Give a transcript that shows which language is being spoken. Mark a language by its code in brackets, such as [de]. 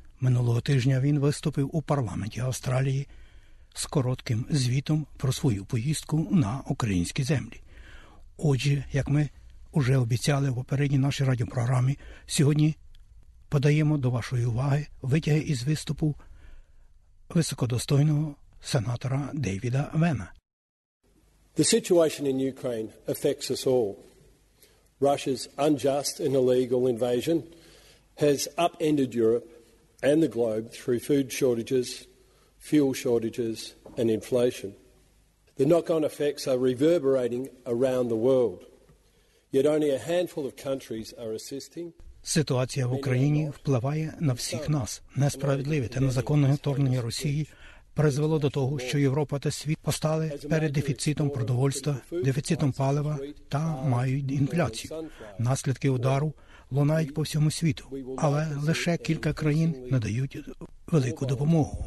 [uk] Минулого тижня він виступив у парламенті Австралії з коротким звітом про свою поїздку на українські землі. Отже, як ми вже обіцяли в попередній нашій радіопрограмі, сьогодні подаємо до вашої уваги витяги із виступу високодостойного сенатора Дейвіда Вена. [en] The situation in Ukraine affects us all. Russia's unjust and illegal invasion has upended Europe and the globe through food shortages, fuel shortages and inflation. The knock-on effects are reverberating around the world. Yet only a handful of countries are assisting. [uk] Ситуація в Україні впливає на всіх нас. Несправедливе та незаконне вторгнення Росії призвело до того, що Європа та світ постали перед дефіцитом продовольства, дефіцитом палива та мають інфляцію. Наслідки удару лунають по всьому світу, але лише кілька країн надають велику допомогу.